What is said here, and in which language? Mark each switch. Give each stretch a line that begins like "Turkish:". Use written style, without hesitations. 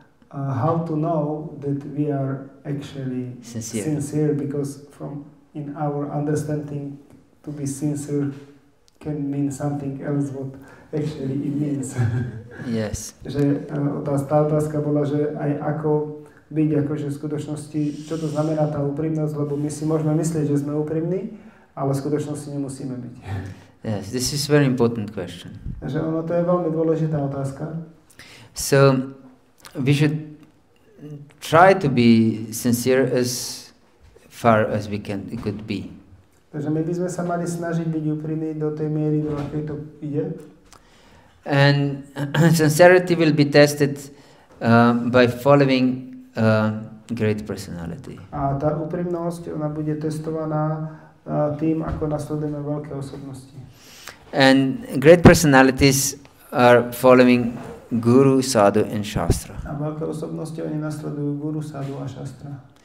English: How to know that we are actually sincere, because from in our understanding to be sincere can mean something else what actually it means. Yes.
Slovak: Že tá otázka bola, že aj ako byť akože v skutočnosti, čo to znamená tá úprimnosť, lebo my si môžeme myslieť, že sme úprimní, ale v skutočnosti nemusíme byť.
English: Yes, this is very important question.
Slovak: Že ono, to je veľmi dôležitá otázka.
English: So, we should try to be sincere as far as we can, it could be.
Slovak: Takže my by sme sa mali snažiť byť úprimní do tej miery, do akej to ide.
English: And sincerity will be tested by following great personality.
Slovak: A tá úprimnosť, ona bude testovaná tým, ako nasledujeme veľké osobnosti.
English: And great personalities are following guru, sadhu and shastra.
Slovak: A veľké osobnosti, oni nasledujú guru, sadhu a shastra.